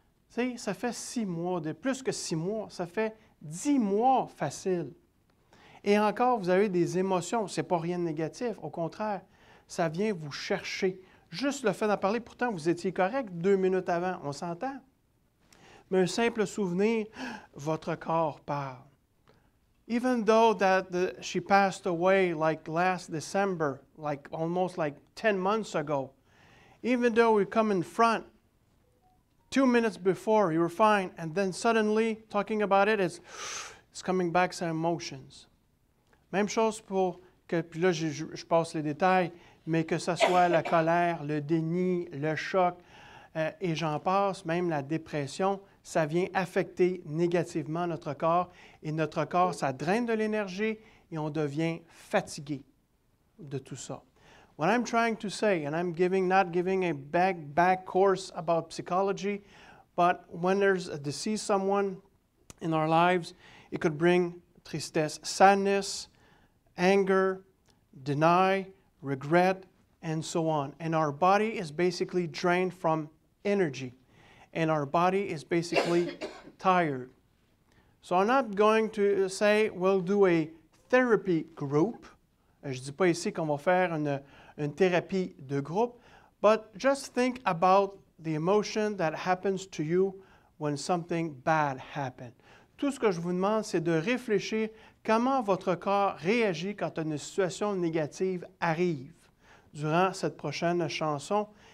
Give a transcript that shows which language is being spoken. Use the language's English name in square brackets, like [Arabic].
[French] T'sais, ça fait 6 mois, de plus que 6 mois, ça fait 10 mois facile. Et encore, vous avez des émotions, c'est pas rien de négatif, au contraire. Ça vient vous chercher. Juste le fait d'en parler, pourtant, vous étiez correct 2 minutes avant, on s'entend. Mais un simple souvenir, votre corps parle. [English] Even though that she passed away like last December, like almost like 10 months ago, even though we come in front, 2 minutes before, you were fine, and then suddenly, talking about it, it's coming back some emotions. [French] Même chose pour que, puis là, je passe les détails, mais que ce soit la colère, le déni, le choc, et j'en passe, même la dépression, ça vient affecter négativement notre corps. Et notre corps, ça draine de l'énergie et on devient fatigué de tout ça. [English] What I'm trying to say, and I'm giving, not giving a back course about psychology, but when there's a deceased someone in our lives, it could bring tristesse, sadness, anger, deny, regret, and so on. And our body is basically drained from energy. And our body is basically tired. So I'm not going to say we'll do a therapy group. [French] Je ne dis pas ici qu'on va faire une thérapie de groupe. [English] But just think about the emotion that happens to you when something bad happened. [French] Tout ce que je vous demande, c'est de réfléchir comment votre corps réagit quand une situation négative arrive. Durant cette prochaine chanson